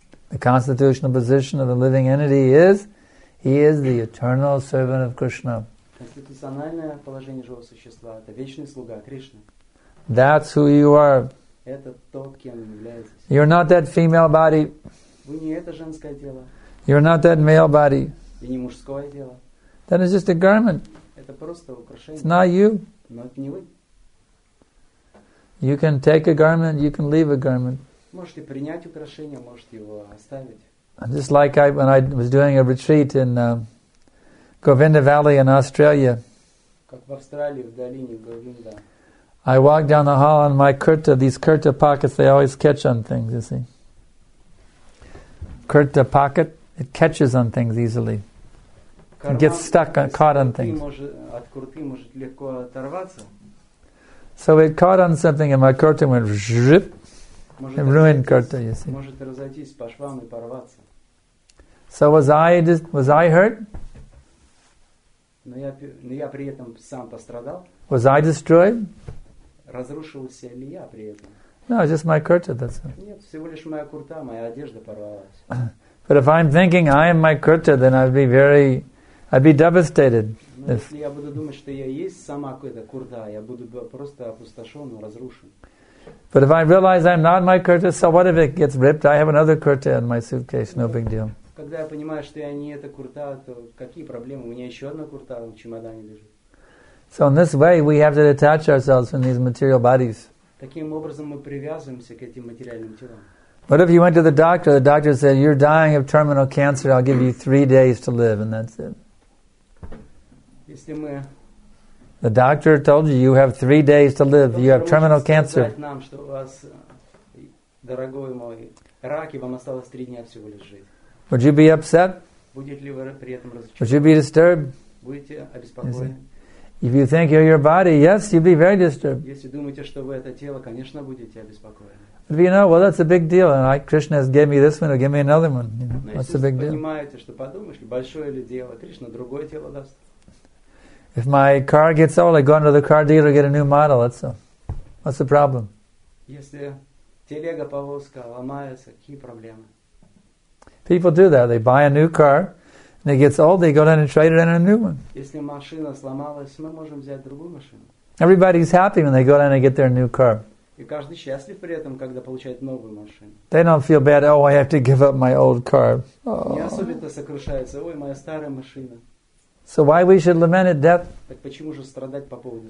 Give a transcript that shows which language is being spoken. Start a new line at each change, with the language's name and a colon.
English: The constitutional position of the living entity is he is the eternal servant of Krishna.
Russian: Конституциональное положение живого существа — это вечный слуга Кришны.
English: That's who you are.
Russian: Это то, кем являетесь.
English: You're not that female body.
Russian: Вы не это женское тело.
English: You're not that male body.
Russian: И не мужское тело.
English: That is just a garment.
Russian: Это просто украшение.
English: It's not you.
Russian: Но это не вы.
English: You can take a garment, you can leave a garment.
Russian: Можете принять украшение, можете его оставить.
English: Just like when I was doing a retreat in Govinda Valley in Australia.
Russian: Как в Австралии, в долине Говинда.
English: I walk down the hall and my kurta, these kurta pockets, they always catch on things, you see. Kurta pocket, it catches on things easily. It gets stuck, caught on things.
Russian: От курты может легко оторваться.
English: So it caught on something and my kurta went zhip. It ruined kurta, you see.
Russian: Может разойтись по швам и порваться.
English: So was I hurt?
Russian: Но я при этом сам пострадал.
English: Was I destroyed?
Russian: Разрушился ли я при этом?
English: No, just my kurta, that's all.
Russian: Нет, всего лишь моя курта, моя одежда порвалась.
English: But if I'm thinking I am my kurta, then I'd be devastated.
Russian: Если я буду думать, что я есть сама какая-то курта, я буду просто опустошен, разрушен.
English: But if I realize I'm not my kurta, so what if it gets ripped? I have another kurta in my suitcase, no big deal.
Russian: Когда я понимаю, что я не эта курта, то какие проблемы? У меня еще одна курта в чемодане лежит.
English: So in this way, we have to detach ourselves from these material bodies.
Russian: Таким образом мы привязываемся к этим материальным телам.
English: What if you went to the doctor said, you're dying of terminal cancer, I'll give you 3 days to live, and that's it.
Russian: Если мы...
English: The doctor told you, you have 3 days to live, you have terminal cancer.
Russian: Нам, что у вас, дорогой мой, рак, и вам осталось 3 дня всего лишь жить.
English: Would you be upset?
Russian: Будет ли вы при этом разочарованы?
English: Would you be disturbed?
Russian: Будете обеспокоены?
English: If you think you're your body, yes, you'd be very disturbed.
Russian: Если думаете, что вы это тело, конечно, будете обеспокоены.
English: But you know, well, that's a big deal. And I, Krishna has gave me this one, or give me another one. You know, what's the big deal?
Russian: Понимаете, что подумаешь, большое ли дело? Кришна другое тело даст.
English: If my car gets old, I go into the car dealer, get a new model. That's all. What's the problem?
Russian: Если телега, повозка ломается, какие проблемы?
English: People do that. They buy a new car, and it gets old. They go down and trade it in a new one.
Russian: Если машина сломалась, мы можем взять другую машину.
English: Everybody's happy when they go down and get their new car.
Russian: И каждый счастлив при этом, когда получает новую машину.
English: They don't feel bad. Oh, I have to give up my old car.
Russian: Не особенно сокрушается. Ой, моя старая машина.
English: So why we should lament at death?
Russian: Так почему же страдать по поводу